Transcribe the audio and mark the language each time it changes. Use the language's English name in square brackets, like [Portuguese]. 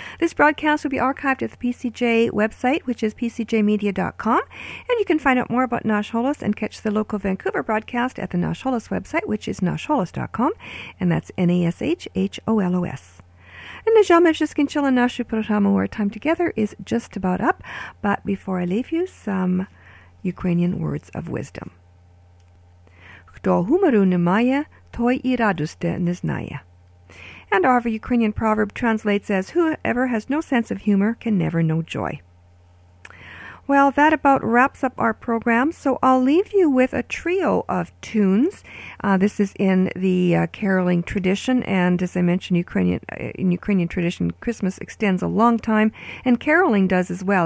[English] This broadcast will be archived at the PCJ website, which is pcjmedia.com, and you can find out more about Nash Holos and catch the local Vancouver broadcast at the Nash Holos website, which is nashholos.com, and that's NASHHOLOS. And as Jamesh is Kinchilla Nashu Protamu, our time together is just about up, but before I leave you, some Ukrainian words of wisdom. [Ukrainian] Хто гумору не має, той і радості не знає. [English] And our Ukrainian proverb translates as, whoever has no sense of humor can never know joy. Well, that about wraps up our program, so I'll leave you with a trio of tunes. This is in the caroling tradition, and as I mentioned, in Ukrainian tradition, Christmas extends a long time, and caroling does as well.